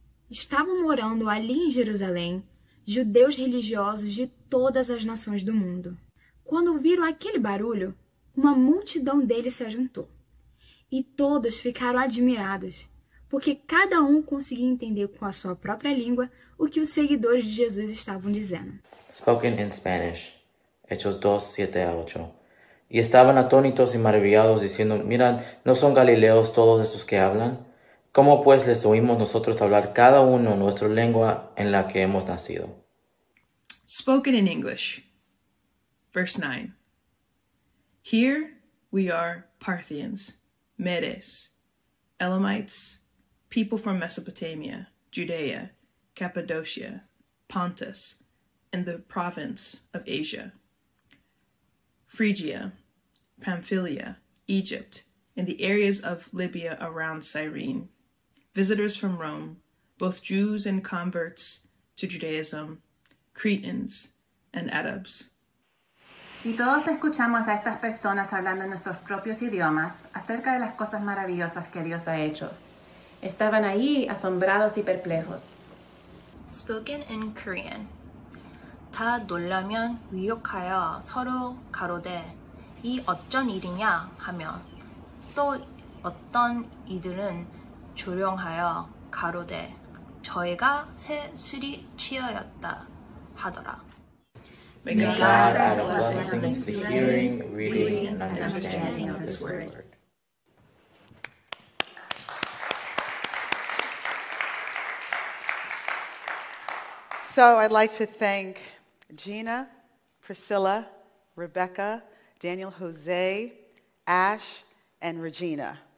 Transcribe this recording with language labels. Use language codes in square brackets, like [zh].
[pt] Estavam morando ali em Jerusalém judeus religiosos de todas as nações do mundo. Quando ouviram aquele barulho, uma multidão deles se ajuntou. E todos ficaram admirados, porque cada um conseguia entender com a sua própria língua o que os seguidores de Jesus estavam dizendo. [en] Spoken in Spanish, Hechos 2, 7 a 8. [pt] E estavam [es] atónitos e maravilhados, diciendo, mira, ¿no son galileos todos estos que hablan? ¿Cómo pues les oímos nosotros hablar cada uno nuestra lengua en la que hemos nacido? [en] Spoken in English, verse 9. Here we are Parthians, Medes, Elamites, people from Mesopotamia, Judea, Cappadocia, Pontus, and the province of Asia. Phrygia, Pamphylia, Egypt, and the areas of Libya around Cyrene. Visitors from Rome, both Jews and converts to Judaism, Cretans and Arabs. [es] Y todos escuchamos a estas personas hablando en nuestros propios idiomas acerca de las cosas maravillosas que Dios ha hecho. Estaban ahí asombrados y perplejos. [en] Spoken in Korean. [ko] 다 놀라면 의욕하여 서로 가로되 이 어쩐 일이냐 하며 또 어떤 이들은 조용하여 가로되 저희가 새 술이 취하였다 하더라. [en] May God add blessings to the hearing, reading, and understanding of this word. So I'd like to thank Gina, Priscilla, Rebecca, Daniel Jose, Ash, and Regina.